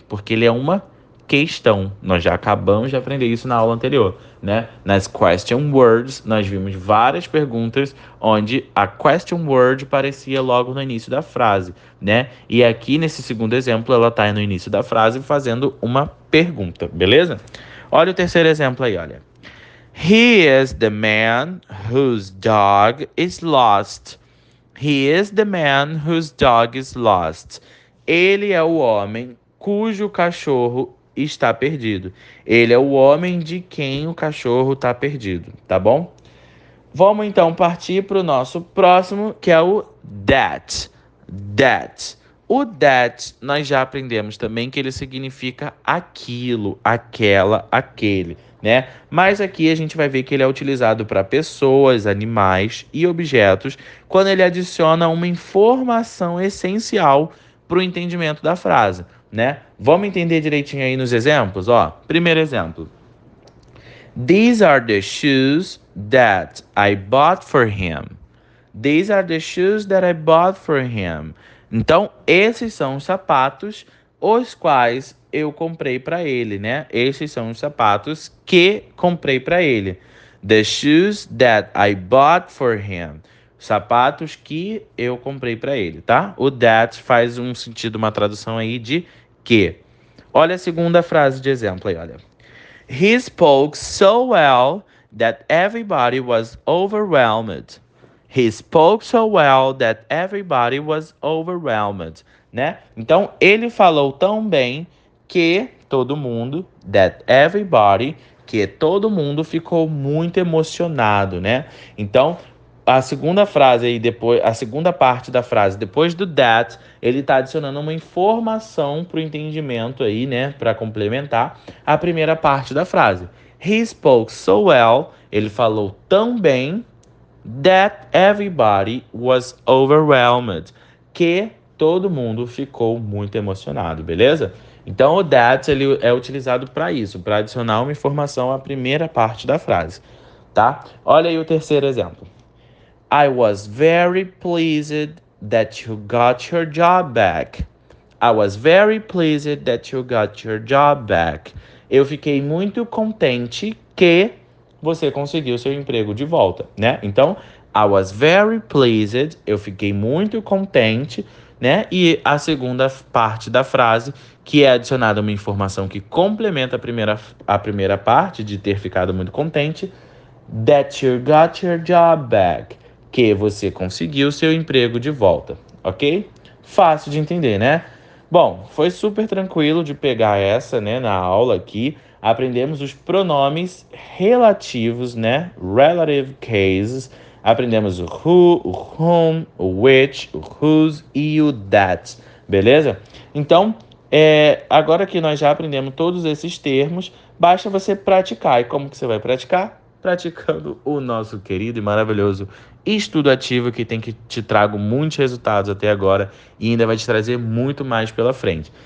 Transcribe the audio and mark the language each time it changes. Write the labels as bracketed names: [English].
[Portuguese] Porque ele é uma questão. Nós já acabamos de aprender isso na aula anterior, né? Nas question words, nós vimos várias perguntas onde a question word parecia logo no início da frase, né? E aqui nesse segundo exemplo, ela tá no início da frase fazendo uma pergunta, beleza? Olha o terceiro exemplo aí, olha. [English] He is the man whose dog is lost. He is the man whose dog is lost. [Portuguese] Ele é o homem cujo cachorro está perdido. Ele é o homem de quem o cachorro está perdido, tá bom? Vamos então partir para o nosso próximo, que é o that. That. O that nós já aprendemos também que ele significa aquilo, aquela, aquele, né? Mas aqui a gente vai ver que ele é utilizado para pessoas, animais e objetos quando ele adiciona uma informação essencial para o entendimento da frase, né? Vamos entender direitinho aí nos exemplos, ó. Primeiro exemplo. [English] These are the shoes that I bought for him. These are the shoes that I bought for him. [Portuguese] Então, esses são os sapatos os quais eu comprei para ele, né? Esses são os sapatos que comprei para ele. [English] The shoes that I bought for him. [Portuguese] Sapatos que eu comprei para ele, tá? O that faz um sentido, uma tradução aí de que. Olha a segunda frase de exemplo aí, olha. [English] He spoke so well that everybody was overwhelmed. He spoke so well that everybody was overwhelmed, né? [Portuguese] Então, ele falou tão bem que todo mundo, [English] that everybody, [Portuguese] que todo mundo ficou muito emocionado, né? Então, a segunda frase aí, depois, a segunda parte da frase, depois do that, ele está adicionando uma informação para o entendimento aí, né? Para complementar a primeira parte da frase. [English] He spoke so well, [Portuguese] ele falou tão bem, [English] that everybody was overwhelmed, [Portuguese] que todo mundo ficou muito emocionado, beleza? Então o that ele é utilizado para isso, para adicionar uma informação à primeira parte da frase, tá? Olha aí o terceiro exemplo. [English] I was very pleased that you got your job back. I was very pleased that you got your job back. [Portuguese] Eu fiquei muito contente que você conseguiu seu emprego de volta, né? Então, [English] I was very pleased, [Portuguese] eu fiquei muito contente, né? E a segunda parte da frase, que é adicionada uma informação que complementa a primeira parte de ter ficado muito contente, [English] that you got your job back, [Portuguese] que você conseguiu seu emprego de volta, ok? Fácil de entender, né? Bom, foi super tranquilo de pegar essa, né, na aula aqui. Aprendemos os pronomes relativos, né? [English] Relative cases. [Portuguese] Aprendemos o who, o whom, o which, o whose e o that. Beleza? Então, agora que nós já aprendemos todos esses termos, basta você praticar. E como que você vai praticar? Praticando o nosso querido e maravilhoso estudo ativo que tem que te trago muitos resultados até agora e ainda vai te trazer muito mais pela frente.